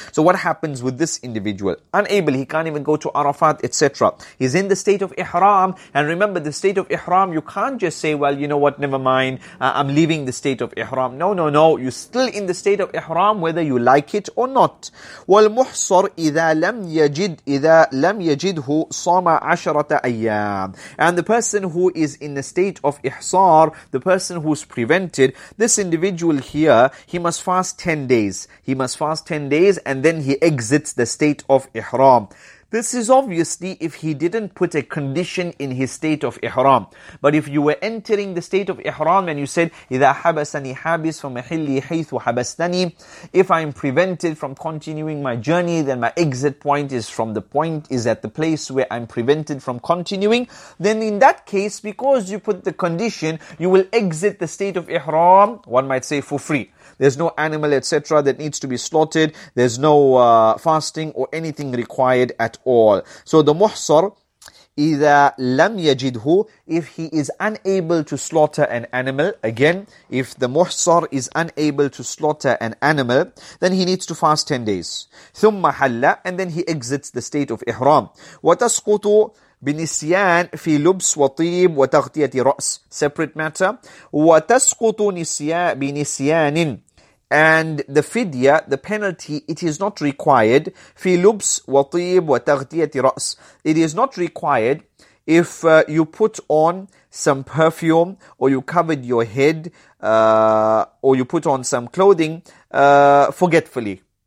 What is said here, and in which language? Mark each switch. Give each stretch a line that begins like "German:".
English: So what happens with this individual? Unable, he can't even go to Arafat, etc. He's in the state of ihram. And remember, the state of ihram, you can't just say, well, you know what, never mind, I'm leaving the state of ihram. No, no, no, you're still in the state of ihram, whether you like it or not.
Arabic: Well, المحصر إذا لم يجده صام عشرة أيام.
English: And the person who is in a state of إحصار, the person who's prevented, this individual here, he must fast 10 days. He must fast 10 days and then he exits the state of إحرام. This is obviously if he didn't put a condition in his state of ihram. But if you were entering the state of ihram and you said,
Arabic: إِذَا حَبَسَنِي حَابِسْ فَمَحِلِّي حَيْثُ وَحَبَسْتَنِي,
English: if I'm prevented from continuing my journey, then my exit point is at the place where I'm prevented from continuing, then in that case, because you put the condition, you will exit the state of ihram, one might say, for free. There's no animal, etc. that needs to be slaughtered. There's no fasting or anything required at all. So the muhsar,
Arabic: إِذَا لَمْ يَجِدْهُ,
English: if he is unable to slaughter an animal, again, if the muhsar is unable to slaughter an animal, then he needs to fast 10 days.
Arabic: ثُمَّ حَلَّ,
English: and then he exits the state of ihram.
Arabic: وَتَسْقُطُ بنسيان في لبس وطيب وتغطية رأس.
English: Separate matter.
Arabic: وتسقط نسيان بنسيان.
English: And the fidya, the penalty, it is not required.
Arabic: في لبس وطيب وتغطية رأس.
English: It is not required if you put on some perfume or you covered your head or you put on some clothing forgetfully.